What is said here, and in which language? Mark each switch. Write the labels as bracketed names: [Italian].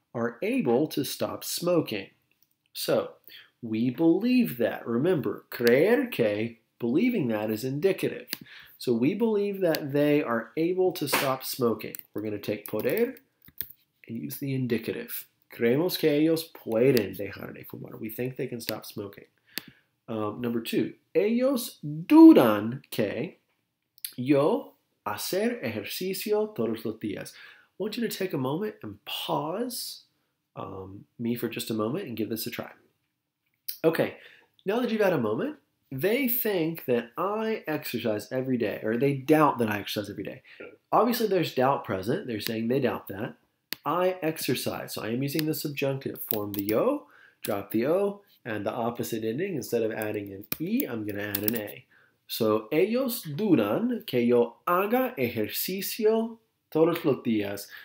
[English] are able to stop smoking. So, we believe that. Remember, [Spanish] creer que, [English] believing that, is indicative. So we believe that they are able to stop smoking. We're going to take poder and use the indicative. [Spanish] Creemos que ellos pueden dejar de fumar. [English] We think they can stop smoking. [Spanish] Number two, ellos dudan que yo hacer ejercicio todos los días. [English] I want you to take a moment and pause me for just a moment and give this a try. Okay, now that you've had a moment, they think that I exercise every day, or they doubt that I exercise every day. Obviously, there's doubt present. They're saying they doubt that. I exercise. So I am using the subjunctive form, the yo, drop the o, and the opposite ending. Instead of adding an e, I'm going to add an a. [Spanish] So ellos dudan que yo haga ejercicio todos los días.